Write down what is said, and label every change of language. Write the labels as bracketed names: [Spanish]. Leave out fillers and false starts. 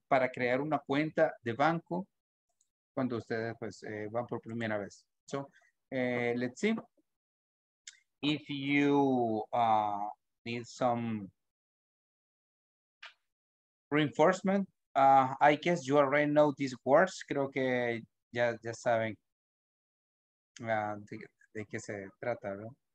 [Spanish] Para crear una cuenta de banco cuando ustedes pues, van por primera vez. [English] So, let's see. If you need some reinforcement, I guess you already know these words. [Spanish] Creo que ya saben de qué se trata, ¿no?